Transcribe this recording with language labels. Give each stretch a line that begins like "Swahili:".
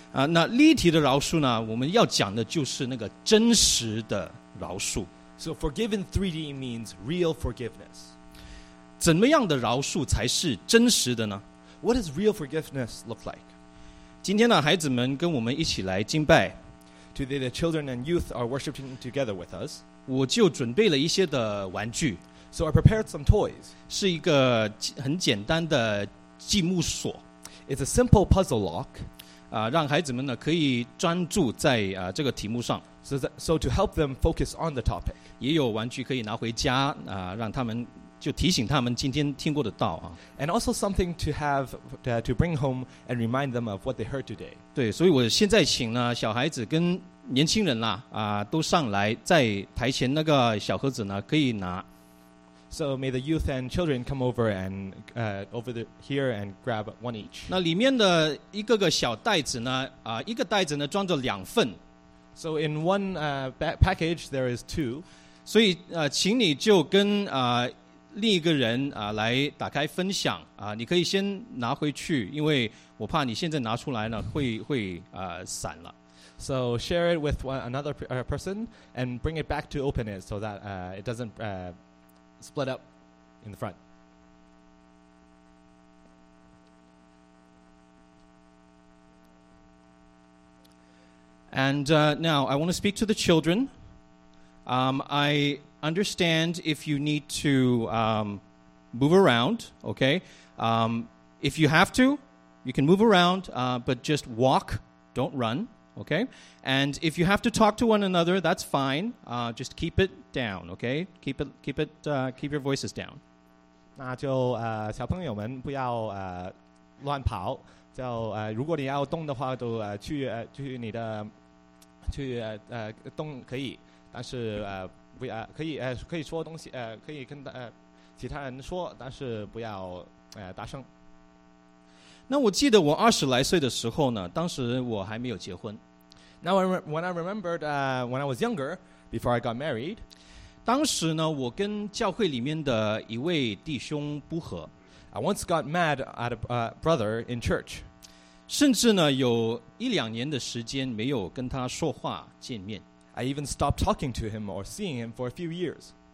Chinese: 那立体的饶恕呢，我们要讲的就是那个真实的饶恕。
English: So forgiven 3D means real forgiveness.
Chinese: 怎么样的饶恕才是真实的呢？
English: What does real forgiveness look like?
Chinese: 今天呢，孩子们跟我们一起来敬拜。
English: Today the children and youth are worshiping together with us.
Chinese: 我就准备了一些的玩具。
English: So I prepared some toys.
Chinese: 是一个很简单的积木锁。
English: It's a simple puzzle lock.
Chinese: 让孩子们呢可以专注在这个题目上。
English: So to help them focus on the topic.
Chinese: 也有玩具可以拿回家让他们就提醒他们今天听过的道啊。
English: And also something to have to bring home and remind them of what they heard today.
Chinese: 对，所以我现在请呢小孩子跟年轻人啦都上来，在台前那个小盒子呢可以拿。
English: So may the youth and children come over and over the here and grab one each.
Chinese: 那里面的一个个小袋子呢？一个袋子呢装着两份。
English: So in one package there is two.
Chinese: 所以请你就跟另一个人来打开分享你可以先拿回去，因为我怕你现在拿出来呢会散了。
English: So share it with another person and bring it back to open it so that it doesn't. Split up in the front. 、I want to speak to the children. I understand if you need to move around, okay? If you have to, you can move around, but just walk, don't run, okay? And if you have to talk to one another, that's fine. Just keep it. Down, okay. Keep it. Keep your voices down.
Chinese: 那就小朋友们不要乱跑。就如果你要动的话，都去去你的去动可以，但是不要可以可以说东西可以跟其他人说，但是不要大声。那我记得我二十来岁的时候呢，当时我还没有结婚。
English: Now when I remembered when I was younger. Before I got married,
Chinese: 当时呢，我跟教会里面的一位弟兄不和。
English: I once got mad at a brother in church.
Chinese: 甚至呢，有一两年的时间没有跟他说话见面。
English: I even stopped talking to him or seeing him for a few years.